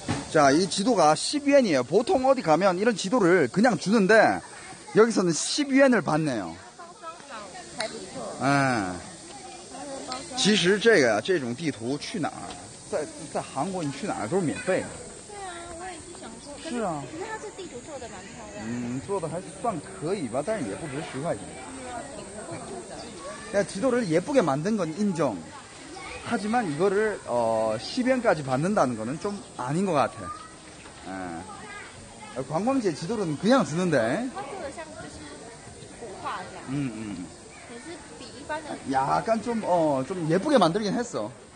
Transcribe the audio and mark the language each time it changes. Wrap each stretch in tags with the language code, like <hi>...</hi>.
<ko>자, 이 지도가 10위엔이에요. 보통 어디 가면 이런 지도를 그냥 주는데 여기서는 10위엔을 받네요.</ko> <zh>其实这个这种地图去哪儿在韩国你去哪儿都是免费的对啊我也是想做是啊但是它这地图做的蛮漂亮的嗯做的还算可以吧但是也不值十块钱</zh> <ko>지도를 예쁘게 만든 건 인정. 하지만 이거를 10엔까지 받는다는 거는 좀 아닌 것 같아. 관광지의 지도는 그냥 주는데 약간 좀, 좀 예쁘게 만들긴 했어.</ko>